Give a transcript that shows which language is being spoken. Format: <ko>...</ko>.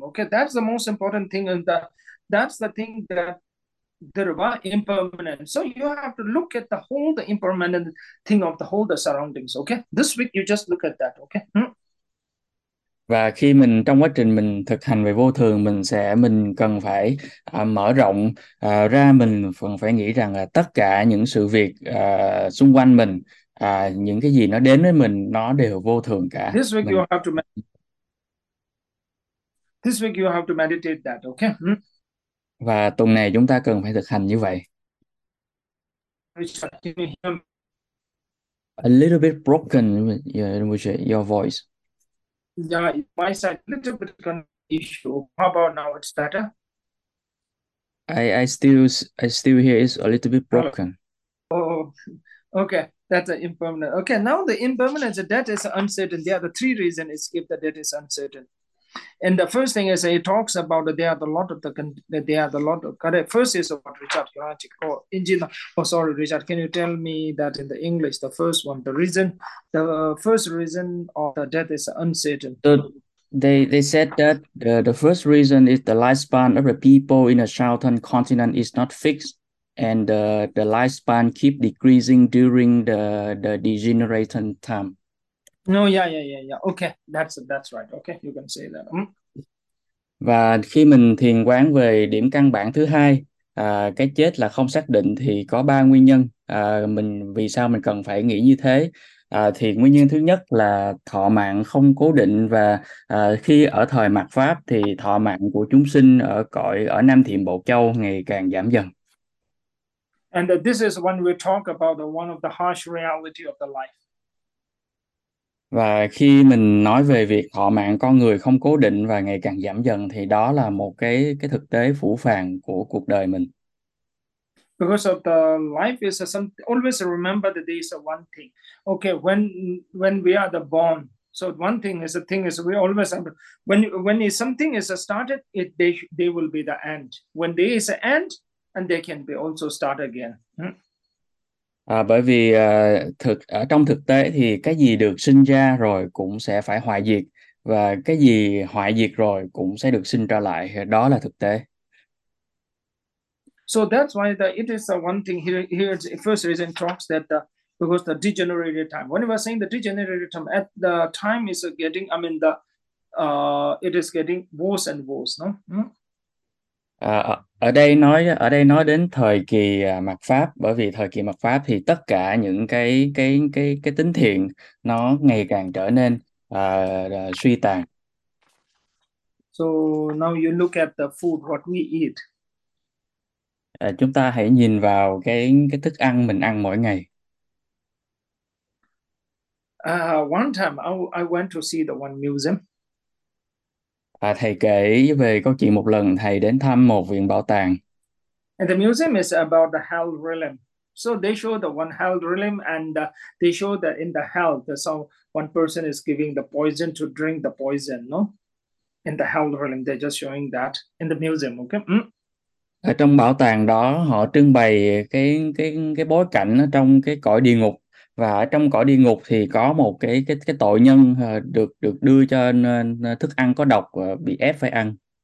<en>Okay, that's the most important thing, and that's the thing that there are impermanent. So you have to look at the whole the impermanent thing of the whole the surroundings. Okay, this week you just look at that. Okay.</en> <vi>và khi mình trong quá trình mình thực hành về vô thường, mình cần phải mở rộng ra, mình cần phải nghĩ rằng là tất cả những sự việc xung quanh mình, những cái gì nó đến với mình, nó đều vô thường cả.</vi> <en>This week you have to meditate that, okay?</en> <vi>Và tuần này chúng ta cần phải thực hành như vậy.</vi> <en>Richard, can you hear me? A little bit broken your voice. Yeah, my side, little bit of issue. How about now? It's better. I still hear it's a little bit Hello. broken. Oh, okay. That's an impermanent. Okay, now the impermanence, the death is uncertain. There are the three reasons is if the death is uncertain. And the first thing is it talks about that there are the lot of the there are the lot of correct. First is about Richard Karachik or engineer. Oh, sorry, Richard, can you tell me that in the English, the first one, the first reason of the death is uncertain. So they said that the first reason is the lifespan of the people in a southern continent is not fixed, and the lifespan keep decreasing during the degenerating time. No, yeah. Okay, that's right. Okay, you can say that.</en> <vi>Và khi mình thiền quán về điểm căn bản thứ hai, cái chết là không xác định, thì có ba nguyên nhân vì sao mình cần phải nghĩ như thế. Thì nguyên nhân thứ nhất là thọ mạng không cố định, và khi ở thời mạt pháp thì thọ mạng của chúng sinh ở cõi ở Nam Thiện Bộ Châu ngày càng giảm dần.</vi> <en>And this is when we talk about the one of the harsh reality of the life.</en> <vi>Và khi mình nói về việc thọ mạng con người không cố định và ngày càng giảm dần, thì đó là một cái thực tế phũ phàng của cuộc đời mình.</vi> <en>Because of the life is some always remember that there is a one thing. Okay, when we are the born, so one thing is a thing is we always remember. When something is started, it they will be the end. When there is an end, and they can be also start again.</en> <vi>Bởi vì ở trong thực tế thì cái gì được sinh ra rồi cũng sẽ phải hoại diệt, và cái gì hoại diệt rồi cũng sẽ được sinh trở lại, đó là thực tế.</vi> <en>So that's why it is the one thing here the first reason talks that because the degenerated time. When we were saying the degenerated time at the time is getting, I mean the it is getting worse and worse, no?</en> <vi>Ở đây nói đến thời kỳ mạt pháp, bởi vì thời kỳ mạt pháp thì tất cả những cái tính thiện nó ngày càng trở nên suy tàn.</vi> <en>So now you look at the food, what we eat.</en> <vi>Chúng ta hãy nhìn vào cái thức ăn mình ăn mỗi ngày.</vi> <en>One time I went to see the one museum.</en> <vi>Thầy kể về câu chuyện một lần thầy đến thăm một viện bảo tàng.</vi> <en>And the museum is about the hell realm. So they show the one hell realm and they show that in the hell, so one person is giving the poison to drink the poison, no? In the hell realm, they're just showing that in the museum, okay?</en> <vi>Ở trong bảo tàng đó họ trưng bày cái bối cảnh ở trong cái cõi địa ngục. Và ở trong cõi địa ngục thì có một cái tội nhân được được đưa cho thức ăn có độc, bị ép phải ăn.</vi>